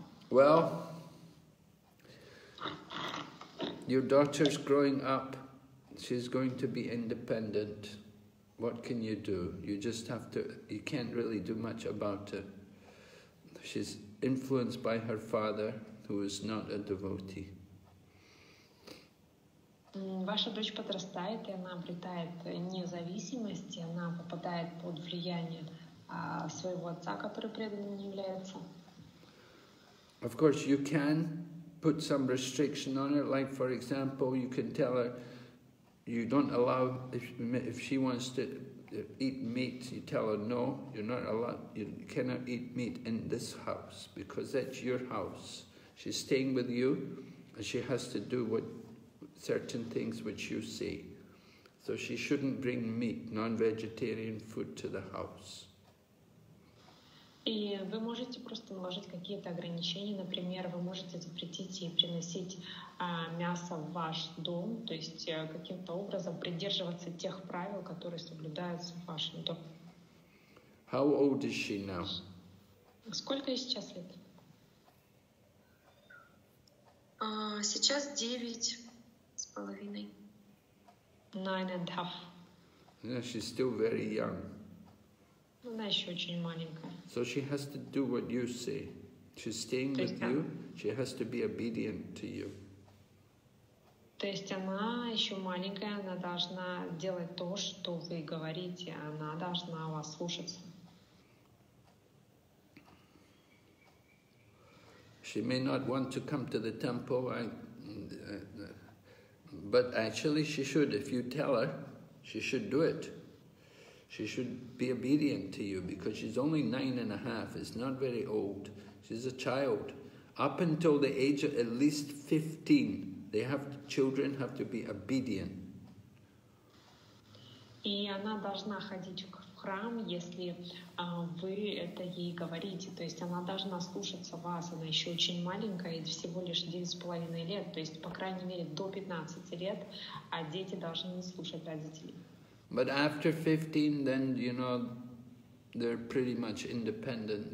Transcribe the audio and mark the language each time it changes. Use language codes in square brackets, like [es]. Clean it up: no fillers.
[en] Well, your daughter's growing up, she's going to be independent. What can you do? You just have to, you can't really do much about it. She's influenced by her father, who is not a devotee. [ru] Ваша дочь подрастает, и она обретает независимость, и она попадает под влияние своего отца, который преданным не является. [en] Of course, you can put some restriction on it, like for example, you can tell her you don't allow, if she wants to eat meat, you tell her no, you're not allowed, you cannot eat meat in this house, because that's your house. She's staying with you, and she has to do what certain things which you say. So she shouldn't bring meat, non-vegetarian food to the house. [ru] И вы можете просто наложить какие-то ограничения, например, вы можете запретить ей приносить мясо в ваш дом, то есть каким-то образом придерживаться тех правил, которые соблюдаются в вашем доме. [en] How old is she now? [ru] Сколько ей сейчас лет? Сейчас 9.5. 9.5. [en] Yeah, she's still very young. [ru] Она еще очень маленькая. [en] So she has to do what you say. She's staying with you, she has to be obedient to you. [ru] То есть она еще маленькая, она должна делать то, что вы говорите, она должна вас слушаться. [en] She may not want to come to the temple, but actually she should. If you tell her, she should do it. She should be obedient to you because she's only 9.5. It's not very old. She's a child. Up until the age of at least 15, children have to be obedient. [ru] И она должна ходить в храм, если вы это ей говорите. То есть она должна слушаться вас. Она еще очень маленькая, всего лишь 9,5 лет. То есть, по крайней мере, до 15 лет, а дети должны слушать родителей. [en] But after 15, then, you know, they're pretty much independent.